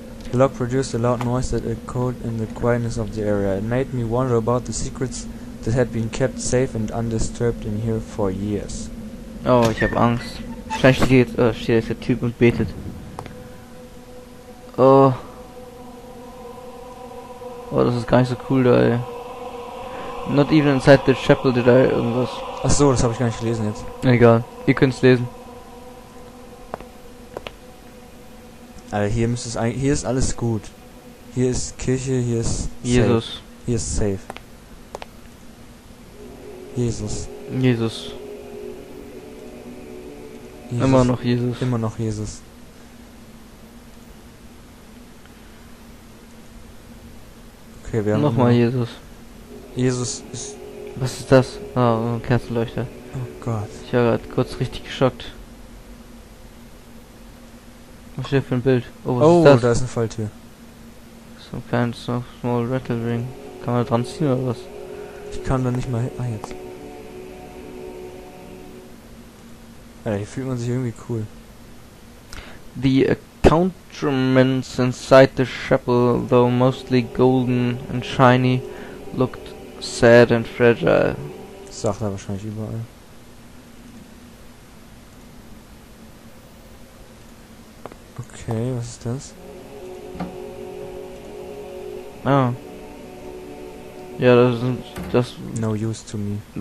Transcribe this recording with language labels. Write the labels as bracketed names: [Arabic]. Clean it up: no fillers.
[English] The lock produced a loud noise that echoed in the quietness of the area. It made me wonder about the secrets that had been kept safe and undisturbed in here for years. [German] Oh, ich hab Angst. Vielleicht steht jetzt, oh, steht jetzt der Typ und betet. Oh. Oh, das ist gar nicht so cool da, ey. [English] Not even inside the chapel did I [German] irgendwas. Ach so, das habe ich gar nicht gelesen jetzt. Egal, ihr könnt's lesen. Alter, hier müsste es eigentlich, hier ist alles gut. Hier ist Kirche, hier ist Jesus. Safe. Hier ist safe. Jesus. Jesus. Jesus. Immer noch Jesus. Immer noch Jesus. Okay, wir haben nochmal Jesus. Jesus ist. Was ist das? Ah, oh, ein Kerzenleuchter. Oh Gott. Ich war gerade kurz richtig geschockt. Was steht für ein Bild? Oh, was ist das? Da ist eine Falltür. So ein kleines [English] so small rattle ring. [German] Kann man da dran ziehen oder was? Ich kann da nicht mal hin. Ah, jetzt. Alter, hier fühlt man sich irgendwie cool. [English] The accoutrements inside the chapel, though mostly golden and shiny, looked sad and fragile. [German] Das sagt er wahrscheinlich überall. Okay, was ist das? Ah. Ja, das ist das. [English] No use to me.